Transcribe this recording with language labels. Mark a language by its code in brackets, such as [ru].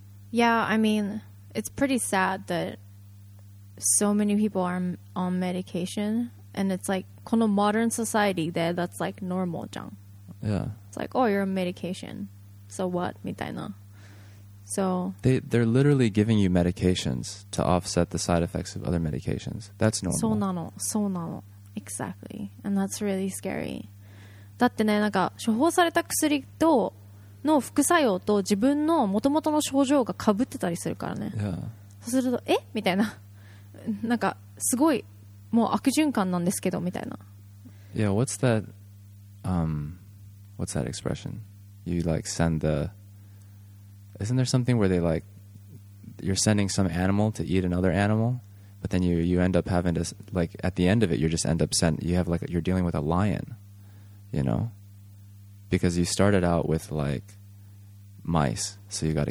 [en] Yeah, I mean, it's pretty sad that so many people are on medication, and it's like [ja] この [en] modern society there, that's like normal [ja] じゃん。 [en] Yeah. It's like, oh, you're on medication. So what? [ja] みたいな。 [en] So they're literally giving you medications to offset the side effects of other medications. That's normal. [ja] そうなの、そうなの。 [en] Exactly. And that's really scary. [ja] だってね、なんか処方された薬との副作用と自分の元々の症状が被ってたりするからね。 [en] Yeah. [ja] そうすると、え?みたいな。なんかすごいもう悪循環なんですけどみたいな。 [en] Yeah, what's that expression? You like send theIsn't there something where they like you're sending some animal to eat another animal, but then you end up having to like at the end of it you just end up sent you have like you're dealing with a lion, you know, because you started out with like mice, so you got a